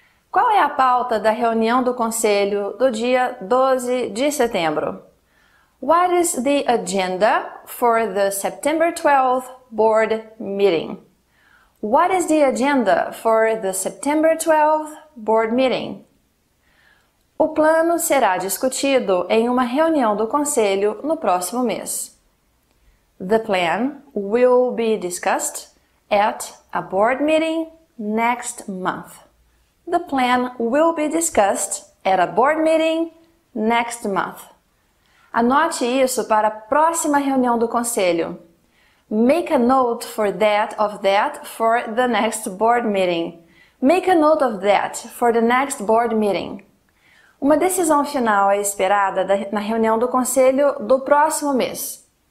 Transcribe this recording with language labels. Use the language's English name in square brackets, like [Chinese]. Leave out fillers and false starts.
[Portuguese] Qual é a pauta da reunião do conselho do dia 12 de setembro? [English] What is the agenda for the September 12th board meeting? What is the agenda for the September 12th board meeting? [Portuguese] O plano será discutido em uma reunião do conselho no próximo mês. [English] The plan will be discussed at a board meeting next month. The plan will be discussed at a board meeting next month. [Portuguese] Anote isso para a próxima reunião do conselho. [English] Make a note for that of that for the next board meeting. Make a note of that for the next board meeting. [Portuguese] Uma decisão final é esperada na reunião do conselho do próximo mês.